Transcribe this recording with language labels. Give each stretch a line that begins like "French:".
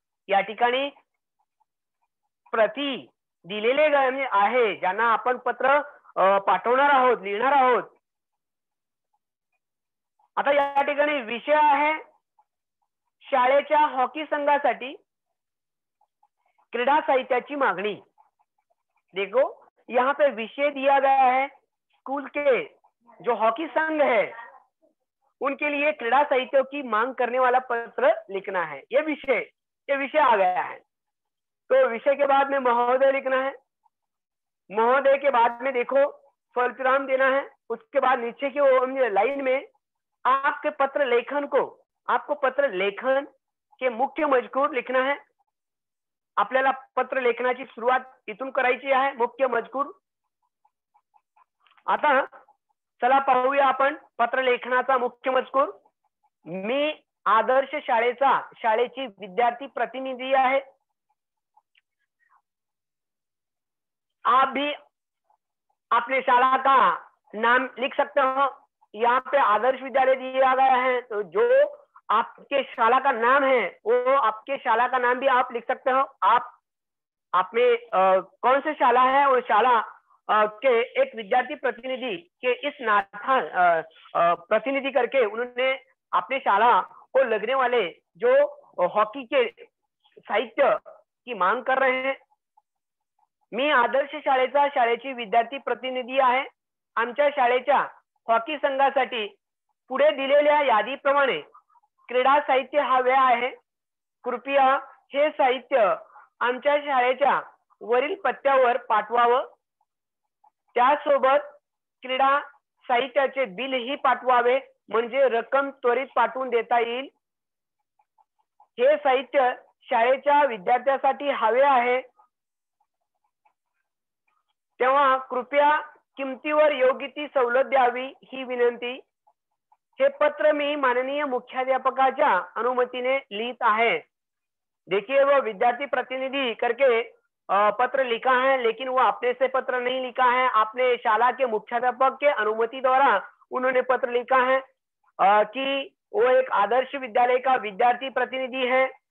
Marathi: या ठिकाणी प्रति दिलेले आहे ज्यांना आपण पत्र पाठवणार आहोत, लिहिणार आहोत। आता या ठिकाणी विषय आहे शाळेच्या हॉकी संघासाठी क्रीडा साहित्याची मागणी।
Hindi: देखो यहाँ पे विषय दिया गया है स्कूल के जो हॉकी संघ है उनके लिए क्रीड़ा साहित्य की मांग करने वाला पत्र लिखना है। ये विषय आ गया है। तो विषय के बाद में महोदय लिखना है, महोदय के बाद में देखो स्वल्पीराम देना है, उसके बाद नीचे की लाइन में आपके पत्र लेखन को, आपको पत्र लेखन के मुख्य मजकूर लिखना है।
Marathi: आपल्याला पत्र लेखनाची सुरुवात इथून करायची आहे, मुख्य मजकूर। आता चला पाहूया आपण पत्र लेखनाचा मुख्य मजकूर। मी आदर्श शाळेचा शाळेची विद्यार्थी प्रतिनिधी आहे।
Hindi: आप भी अपने शाळा का नाम लिख सकते हो, यहाँ पे आदर्श विद्यालय दिया गया है तो जो आपके शाला का नाम है वो आपके शाला का नाम भी आप लिख सकते हो। आप में कौन से शाला है और शाला के एक विद्यार्थी प्रतिनिधि के इस नाता प्रतिनिधि करके उन्होंने अपने शाला को लगने वाले जो हॉकी के साहित्य की मांग कर रहे हैं।
Marathi: मी आदर्श शाळेचा शाळेची विद्यार्थी प्रतिनिधि आहे। आमच्या शाळेच्या हॉकी संघासाठी पुढे दिलेल्या यादीप्रमाणे क्रीडा साहित्य हवे आहे। कृपया हे साहित्य आमच्या शाळेच्या वरील पत्त्यावर पाठवावं, त्यासोबत क्रीडा साहित्याचे बिल ही पाठवावे, म्हणजे रक्कम त्वरित पाठवून देता येईल। हे साहित्य शाळेच्या विद्यार्थ्यांसाठी हवे आहे, तेव्हा कृपया किमतीवर योग्य ती सवलत द्यावी ही विनंती। हे पत्र मी माननीय मुख्याध्यापकाच्या अनुमतीने लिहित आहे।
Hindi: देखिए वो विद्यार्थी प्रतिनिधि करके पत्र लिखा है, लेकिन वो अपने से पत्र नहीं लिखा है, अपने शाला के मुख्याध्यापक के अनुमति द्वारा उन्होंने पत्र लिखा है कि वो एक आदर्श विद्यालय का विद्यार्थी प्रतिनिधि है।